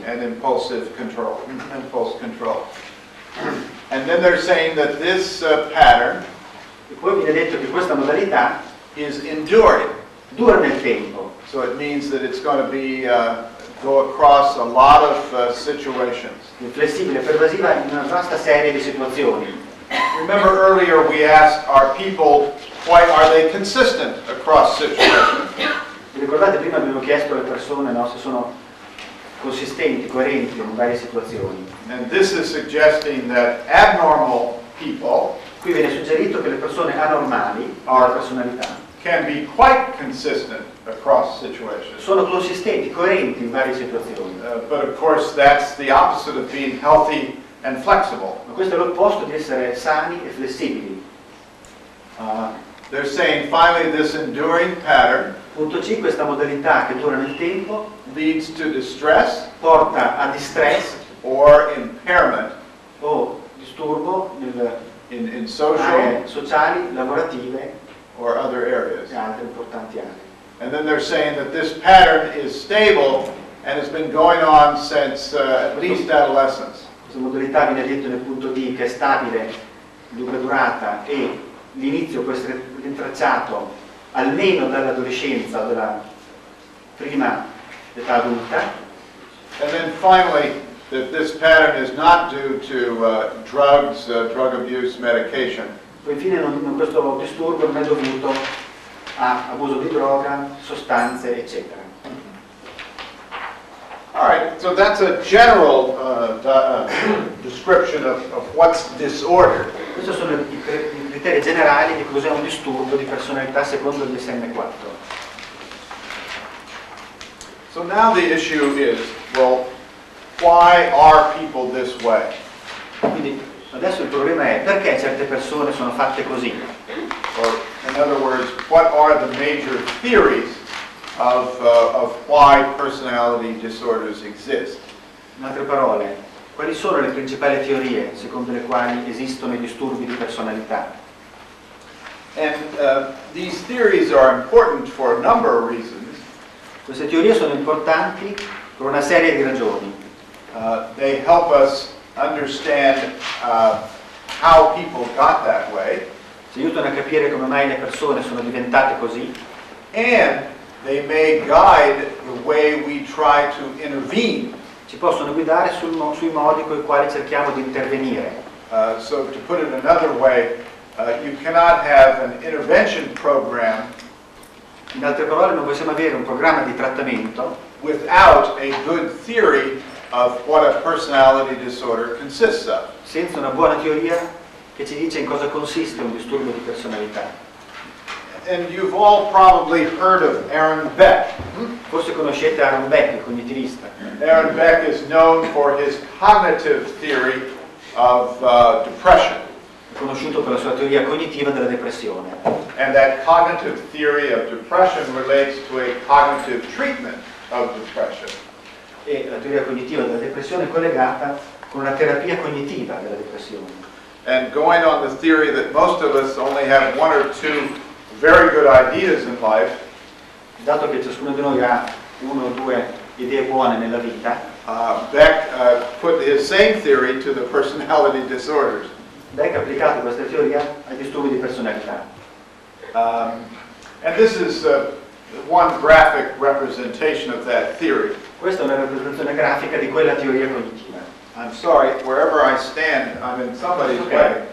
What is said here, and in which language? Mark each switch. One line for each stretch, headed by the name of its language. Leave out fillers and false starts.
English: and impulsive control, impulse control. And then they're saying that this pattern,
Italian: e poi viene detto che questa modalità,
English: is enduring,
Italian: dura nel tempo.
English: So it means that it's going to be go across a lot of situations.
Italian: È flessibile, pervasiva in una vasta serie di situazioni.
English: Remember earlier we asked our people why are they consistent across situations?
Italian: Ricordate prima abbiamo chiesto alle persone no se sono consistenti, coerenti in varie situazioni.
English: And this is suggesting that abnormal people,
Italian: qui viene suggerito che le persone anormali hanno personalità,
English: can be quite consistent across situations.
Italian: Sono consistenti, coerenti in varie situazioni.
English: But of course that's the opposite of being healthy and flexible.
Italian: Ma questo è l'opposto di essere sani e flessibili.
English: They're saying finally this enduring pattern,
Italian: punto 5, questa modalità che dura nel tempo,
English: leads to distress,
Italian: porta a distress,
English: or impairment,
Italian: o disturbo nel
English: in social,
Italian: aree sociali, lavorative,
English: or other areas.
Italian: E altre importanti aree.
English: And then they're saying that this pattern is stable and has been going on since at least adolescence.
Italian: Questa modalità viene detto nel punto D che è stabile, lunga durata e l'inizio può essere rintracciato almeno dall'adolescenza, dalla prima età adulta.
English: And then finally, that this pattern is not due to drugs, drug abuse, medication.
Italian: Poi infine questo disturbo non è dovuto a abuso di droga, sostanze, eccetera.
English: All right, so that's a general description of what's disorder.
Italian: Questi sono i criteri generali di cos'è un disturbo di personalità secondo il DSM-4.
English: So now the issue is, well, why are people this way?
Italian: Quindi adesso il problema è perché certe persone sono fatte così.
English: Or, in other words, what are the major theories of why personality disorders exist?
Italian: In altre parole, quali sono le principali teorie secondo le quali esistono i disturbi di personalità?
English: And these theories are important for a number of reasons.
Italian: Queste teorie sono importanti per una serie di ragioni.
English: They help us understand how people got that way.
Italian: Ci aiutano a capire come mai le persone sono diventate così.
English: And they may guide the way we try to intervene.
Italian: Ci possono guidare sui modi con i quali cerchiamo di intervenire.
English: So to put it another way, you cannot have an intervention program.
Italian: In altre parole, non possiamo avere un programma di trattamento
English: without a good theory of what a personality disorder consists of.
Italian: Senza una buona teoria che ci dice in cosa consiste un disturbo di personalità.
English: And you've all probably heard of Aaron Beck.
Italian: Forse conoscete Aaron Beck, il cognitivista.
English: Aaron Beck is known for his cognitive theory of depression.
Italian: Conosciuto per la sua teoria cognitiva della depressione.
English: And that cognitive theory of depression relates to a cognitive treatment of depression.
Italian: E la teoria cognitiva della depressione è collegata con una terapia cognitiva della depressione.
English: And going on the theory that most of us only have one or two very good ideas in life,
Italian: dato che ciascuno di noi ha uno o due idee buone nella vita,
English: Beck put his same theory to the personality disorders.
Italian: Beck ha applicato questa teoria ai disturbi di personalità.
English: And this is one graphic representation of that theory.
Italian: Questa è una rappresentazione grafica di quella teoria cognitiva.
English: I'm sorry, wherever I stand, I'm in somebody's way.